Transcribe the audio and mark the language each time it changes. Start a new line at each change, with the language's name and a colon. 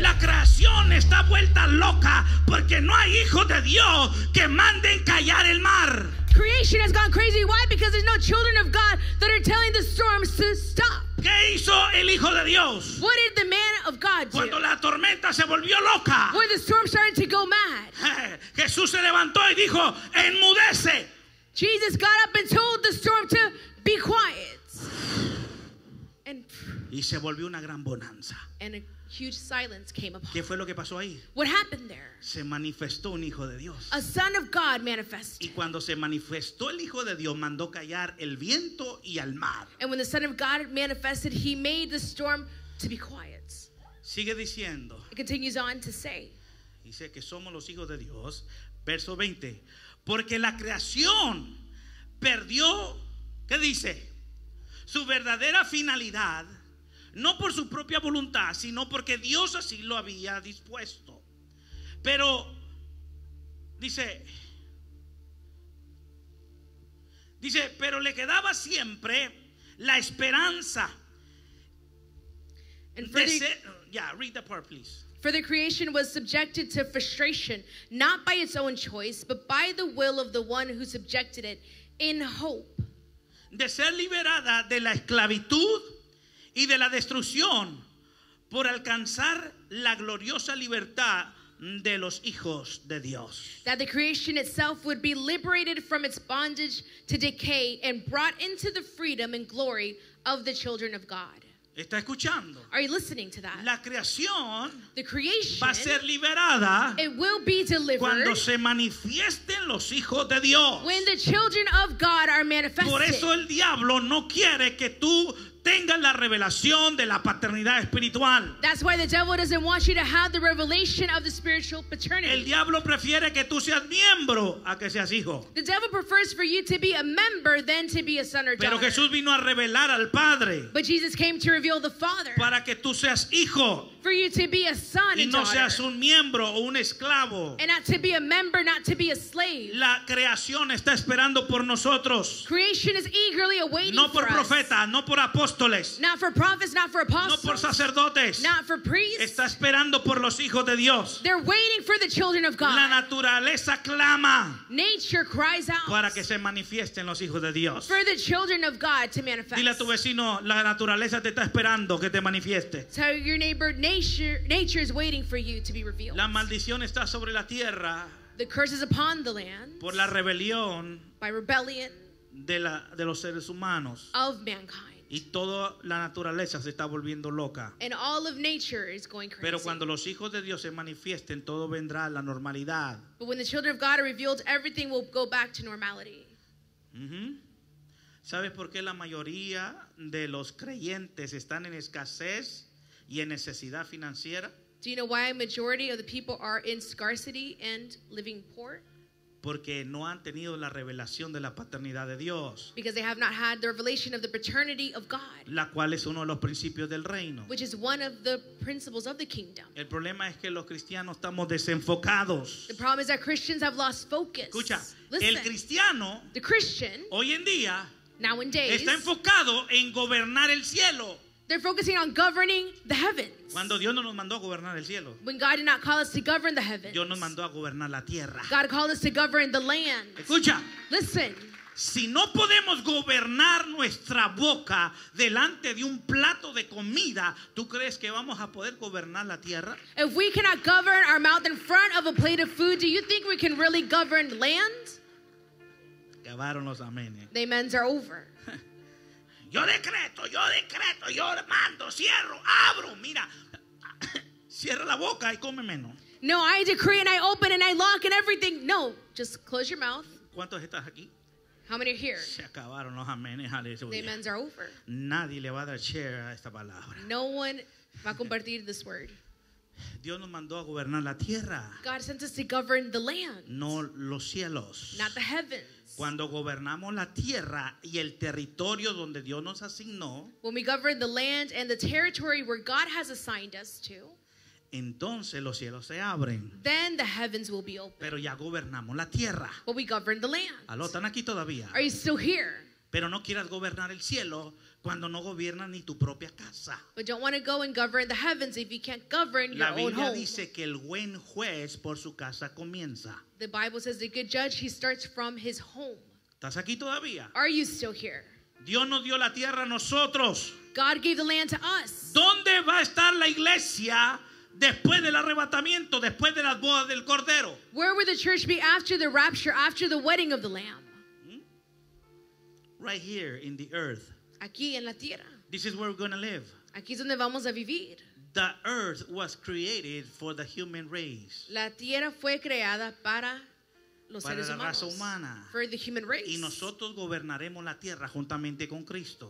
Spanish: La creación está vuelta loca porque no hay hijo de Dios que manden callar el mar.
English: Creation has gone crazy. Why? Because there's no children of God that are telling the storms to stop.
Spanish: ¿Qué hizo el hijo de Dios?
English: What did the man of God do?
Spanish: Cuando la tormenta se volvió loca.
English: When the storm started to go mad.
Spanish: Jesús se levantó y dijo, enmudece.
English: Jesus got up and told the storm to be quiet. And
Spanish: y se volvió una gran bonanza.
English: And a huge silence came upon.
Spanish: ¿Qué fue lo que pasó ahí?
English: What happened there?
Spanish: Se manifestó un hijo de Dios.
English: A son of God manifested.
Spanish: Y cuando se manifestó el hijo de Dios, mandó callar el viento y al mar.
English: And when the son of God manifested, he made the storm to be quiet.
Spanish: Sigue diciendo.
English: It continues on to say.
Spanish: Dice que somos los hijos de Dios, verso 20. Porque la creación perdió, ¿qué dice? Su verdadera finalidad, no por su propia voluntad, sino porque Dios así lo había dispuesto. Pero, dice, pero le quedaba siempre la esperanza.
English: Read that part, please. For the creation was subjected to frustration, not by its own choice, but by the will of the one who subjected it, in hope.
Spanish: De ser liberada de la esclavitud y de la destrucción, por alcanzar la gloriosa libertad de los hijos de Dios.
English: That the creation itself would be liberated from its bondage to decay and brought into the freedom and glory of the children of God.
Spanish: ¿Está escuchando?
English: Are you listening to that?
Spanish: La creación,
English: the creation,
Spanish: va a ser liberada,
English: it will be delivered,
Spanish: cuando se manifiesten los hijos de Dios.
English: When the children of God are manifested.
Spanish: Por eso el diablo no quiere que tú tengas la revelación de la paternidad espiritual.
English: That's why the devil doesn't want you to have the revelation of the spiritual paternity.
Spanish: El diablo prefiere que tú seas miembro a que seas hijo.
English: The devil prefers for you to be a member than to be a son or daughter.
Spanish: Pero Jesús vino a revelar al Padre.
English: But Jesus came to reveal the Father.
Spanish: Para que tú seas hijo.
English: For you to be a son
Spanish: y no seas un miembro o un esclavo.
English: And not to be a member, not to be a slave.
Spanish: La creación está esperando por nosotros.
English: Creation is eagerly awaiting.
Spanish: No por profetas, no por apóstoles.
English: Not for prophets, not for apostles.
Spanish: No por sacerdotes.
English: Not for priests.
Spanish: Está esperando por los hijos de Dios.
English: They're waiting for the children of God.
Spanish: La naturaleza clama.
English: Nature cries out.
Spanish: Para que se manifiesten los hijos de Dios.
English: For the children of God to manifest.
Spanish: Dile a tu vecino, la naturaleza te está esperando que te manifieste.
English: Tell your neighbor, Nature is waiting for you to be revealed.
Spanish: La maldición está sobre la tierra.
English: The curse is upon the land.
Spanish: Por la rebelión.
English: By rebellion.
Spanish: De los seres humanos.
English: Of mankind.
Spanish: Y toda la naturaleza se está volviendo loca.
English: And all of nature is going crazy.
Spanish: Pero cuando los hijos de Dios se manifiesten, todo vendrá a la normalidad.
English: But when the children of God are revealed, everything will go back to normality. Mm-hmm.
Spanish: ¿Sabes por qué la mayoría de los creyentes están en escasez y en necesidad financiera?
English: Do you know why a majority of the people are in scarcity and living poor?
Spanish: Porque no han tenido la revelación de la paternidad de Dios.
English: Because they have not had the revelation of the paternity of God.
Spanish: La cual es uno de los principios del reino.
English: Which is one of the principles of the kingdom.
Spanish: El problema es que los cristianos estamos desenfocados.
English: The problem is that Christians have lost focus.
Spanish: Escucha,
English: listen,
Spanish: el cristiano,
English: the Christian,
Spanish: hoy en día,
English: nowadays,
Spanish: está enfocado en gobernar el cielo.
English: They're focusing on governing the heavens.
Spanish: Cuando Dios no nos mandó a gobernar el cielo.
English: When God did not call us to govern the heavens.
Spanish: Dios nos mandó a gobernar la tierra.
English: God called us to govern the land.
Spanish: Escucha.
English: Listen.
Spanish: Si no podemos gobernar nuestra boca delante de un plato de comida, ¿tú crees que vamos a poder gobernar la tierra?
English: If we cannot govern our mouth in front of a plate of food, do you think we can really govern land?
Spanish: Acabaron los amenes.
English: The amens are over.
Spanish: Yo decreto, yo mando, cierro, abro, mira, cierra la boca y come menos.
English: No, I decree and I open and I lock and everything. No, just close your mouth.
Spanish: ¿Cuántos estás aquí?
English: How many are here?
Spanish: Se acabaron los amenes, aleluya.
English: The amens are over.
Spanish: Nadie le va a dar share a esta palabra.
English: No one
Spanish: va a compartir
English: this word.
Spanish: Dios nos mandó a gobernar la tierra.
English: God sent us to govern the land.
Spanish: No los cielos.
English: Not the heavens.
Spanish: Cuando gobernamos la tierra y el territorio donde Dios nos asignó,
English: when we govern the land and the territory where God has assigned us to,
Spanish: entonces los cielos se abren.
English: Then the heavens will be open.
Spanish: Pero ya gobernamos la tierra.
English: But we govern the land.
Spanish: ¿Aló, están aquí todavía?
English: Are you still here?
Spanish: Pero no quieras gobernar el cielo cuando no gobiernas ni tu propia casa.
English: But don't want to go and govern the heavens if you can't govern your own home.
Spanish: La Biblia dice que el buen juez por su casa comienza.
English: The Bible says the good judge, he starts from his home.
Spanish: ¿Estás aquí todavía?
English: Are you still here?
Spanish: Dios nos dio la tierra a nosotros.
English: God gave the land to us.
Spanish: ¿Dónde va a estar la iglesia después del arrebatamiento, después de las bodas del Cordero?
English: Where will the church be after the rapture, after the wedding of the Lamb? Right here in the earth.
Spanish: Aquí en la tierra.
English: This is where we're going to live.
Spanish: Aquí es donde vamos a vivir.
English: The earth was created for the human race.
Spanish: La tierra fue creada para los para seres la humanos. Raza humana.
English: For the human race.
Spanish: Y nosotros gobernaremos la tierra juntamente con Cristo.